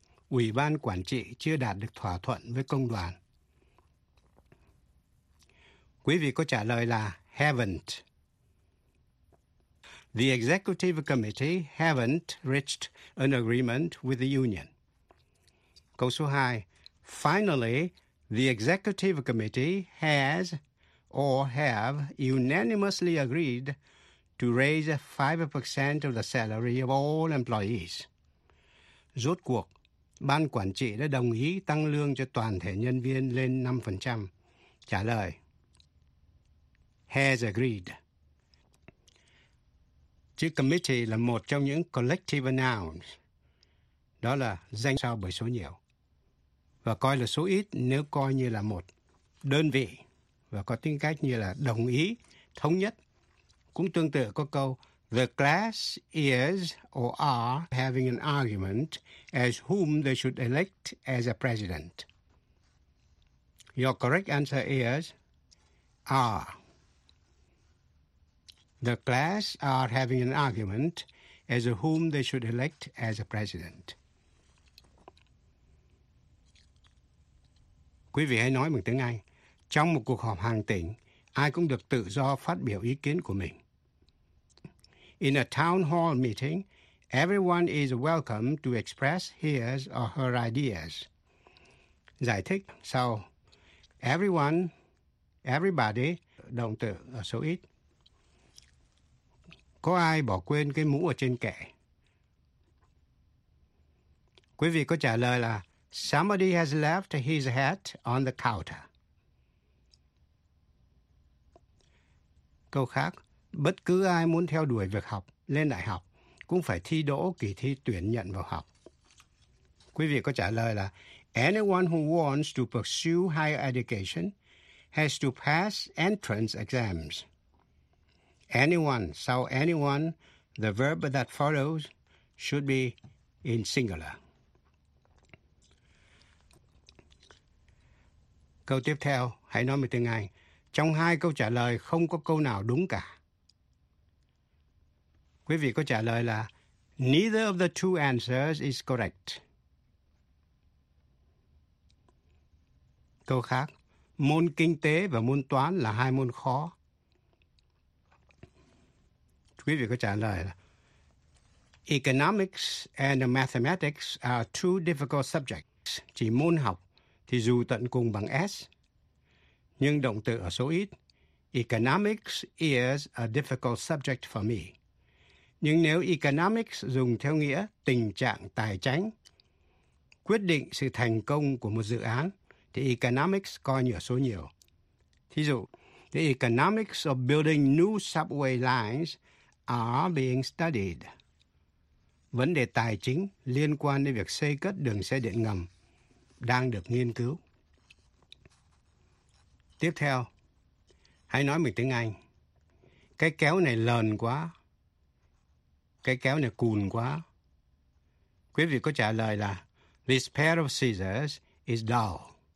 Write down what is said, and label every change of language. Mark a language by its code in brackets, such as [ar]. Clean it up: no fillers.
[vi] Ủy ban quản trị chưa đạt được thỏa thuận với công đoàn. Quý vị có trả lời là haven't. [en] The executive committee haven't reached an agreement with the union. [vi] Câu số 2. [en] Finally, the executive committee has or have unanimously agreed to raise 5% of the salary of all employees. [vi] Rốt cuộc, ban quản trị đã đồng ý tăng lương cho toàn thể nhân viên lên 5%. Trả lời. [en] Has agreed. [vi] Chữ committee là một trong những collective nouns. Đó là danh sau bởi số nhiều. Và coi là số ít nếu coi như là một đơn vị và có tính cách như là đồng ý, thống nhất. Cũng tương tự có câu [en] The class is or are having an argument as whom they should elect as a president. Your correct answer is are. The class are having an argument as whom they should elect as a president. [vi] Quý vị hãy nói bằng tiếng Anh. Trong một cuộc họp hàng tỉnh, ai cũng được tự do phát biểu ý kiến của mình. [en] In a town hall meeting, everyone is welcome to express his or her ideas. [vi] Giải thích sau. Everyone, everybody, động từ ở số ít. Có ai bỏ quên cái mũ ở trên kệ? Quý vị có trả lời là [en] Somebody has left his hat on the counter. [vi] Câu khác, bất cứ ai muốn theo đuổi việc học, lên đại học, cũng phải thi đỗ kỳ thi tuyển nhận vào học. Quý vị có trả lời là [en] Anyone who wants to pursue higher education has to pass entrance exams. Anyone, sau anyone, the verb that follows should be in singular. [vi] Câu tiếp theo, hãy nói một tiếng Anh. Trong hai câu trả lời, không có câu nào đúng cả. Quý vị có trả lời là [en] Neither of the two answers is correct. [vi] Câu khác, môn kinh tế và môn toán là hai môn khó. Quý vị có trả lời là [en] Economics and mathematics are two difficult subjects. [vi] Chỉ môn học thì dù tận cùng bằng S, nhưng động từ ở số ít. [en] Economics is a difficult subject for me. [vi] Nhưng nếu economics dùng theo nghĩa tình trạng tài chính, quyết định sự thành công của một dự án, thì economics coi như ở số nhiều. Thí dụ, [en] the economics of building new subway lines are being studied. [vi] Vấn đề tài chính liên quan đến việc xây cất đường xe điện ngầm đang được nghiên cứu. Tiếp theo, hãy nói mình tiếng Anh. Cái kéo này lờn quá. Cái kéo này cùn quá. Quý vị có trả lời là [en] This pair of scissors is dull.